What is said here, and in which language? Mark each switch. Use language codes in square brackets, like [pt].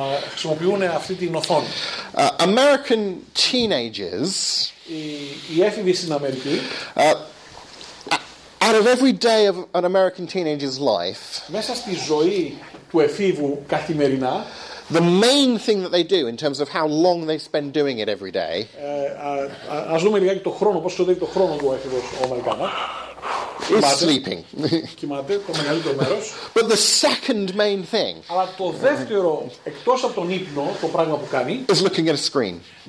[el] Χρησιμοποιούν αυτή την οθόνη. [en] American teenagers, [el] οι έφηβοι στην Αμερική, [en] out of every day of an American teenager's life, [el] μέσα στη ζωή του εφήβου καθημερινά, [en] the main thing that they do in terms of how long they spend doing it every day, [el] ας δούμε λιγάκι το χρόνο, πώς ξοδεύει το χρόνο του έφηβος ο Αμερικάνος. [en] Is sleeping. But the second main thing is looking at a screen.